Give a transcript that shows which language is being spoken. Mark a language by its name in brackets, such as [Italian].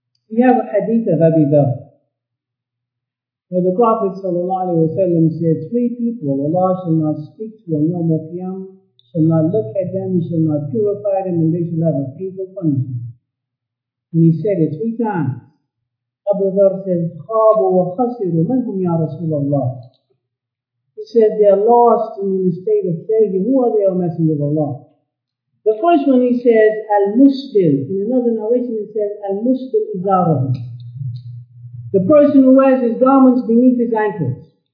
[English] We have a hadith of Abi Dharr, where the Prophet ﷺ said, three people, Allah shall not speak to on Yawm al-Qiyamah, shall not look at them, He shall not purify them, and they shall have a painful punishment. And he said it three times. [Arabic] Abu Dharr said, خَابُ وَخَسِرُ مَنْهُمْ يَا رَسُولَ اللَّهِ. [English] He said, they are lost and in a state of failure. Who are they, O Messenger of Allah? The first one he says, Al-Mustil. In another narration he says, Al-Mustil Izarah. The person who wears his garments beneath his ankles.